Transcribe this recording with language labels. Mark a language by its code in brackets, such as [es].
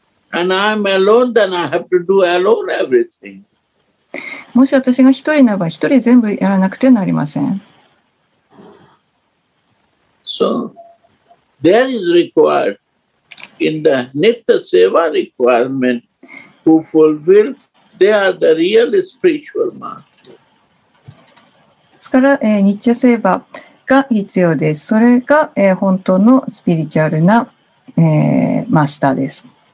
[en] And I'm alone, then I have to do alone everything. [ja] もし私が一人ならば一人全部やらなくてはなりません。 [en] So, there is required in the Nitya Seva requirement who fulfill, they are the real spiritual master. [ja] ですから、Nitya Seva が必要です。それが、本当のスピリチュアルな、マスターです。